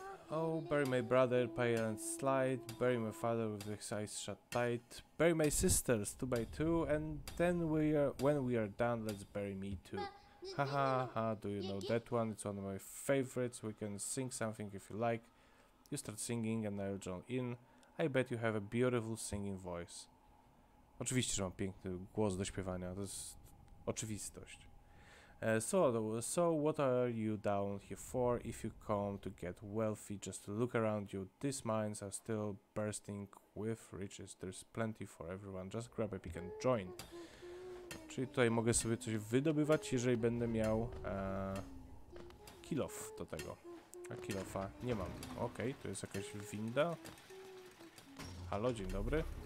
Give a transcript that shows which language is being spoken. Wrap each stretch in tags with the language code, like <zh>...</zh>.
<en>Oh, bury my brother, pale and slight, bury my father with his eyes shut tight, bury my sisters, two by two, and then when we are done, let's bury me too. Ha ha ha, do you know that one? It's one of my favorites. We can sing something if you like. You start singing and I'll join in. I bet you have a beautiful singing voice.</en> <pl>Oczywiście, że mam piękny głos do śpiewania, to jest oczywistość.</pl> <en>So what are you down here for? If you come to get wealthy, just look around you. These mines are still bursting with riches. There's plenty for everyone. Just grab a pick and join.</en> <pl>Czyli tutaj mogę sobie coś wydobywać, jeżeli będę miał kilof do tego. A kilofa nie mam. Okej, to jest jakaś winda. Halo, dzień dobry.</pl>